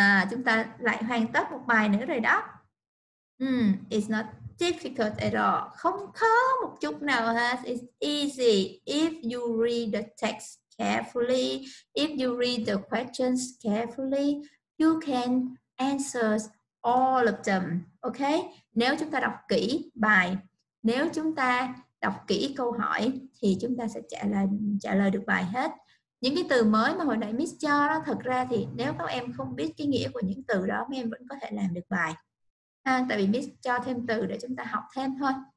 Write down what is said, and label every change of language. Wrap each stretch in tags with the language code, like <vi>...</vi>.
<vi>Chúng ta lại hoàn tất một bài nữa rồi đó.</vi> <en>It's not difficult at all.</en> <vi>Không khó một chút nào hết.</vi> <en>It's easy if you read the text carefully. If you read the questions carefully, you can answer all of them. Okay?</en> <vi>Nếu chúng ta đọc kỹ bài, nếu chúng ta đọc kỹ câu hỏi thì chúng ta sẽ trả lời được bài hết. Những cái từ mới mà hồi nãy Miss cho đó, thật ra thì nếu các em không biết cái nghĩa của những từ đó, các em vẫn có thể làm được bài. Tại vì Miss cho thêm từ để chúng ta học thêm thôi.</vi>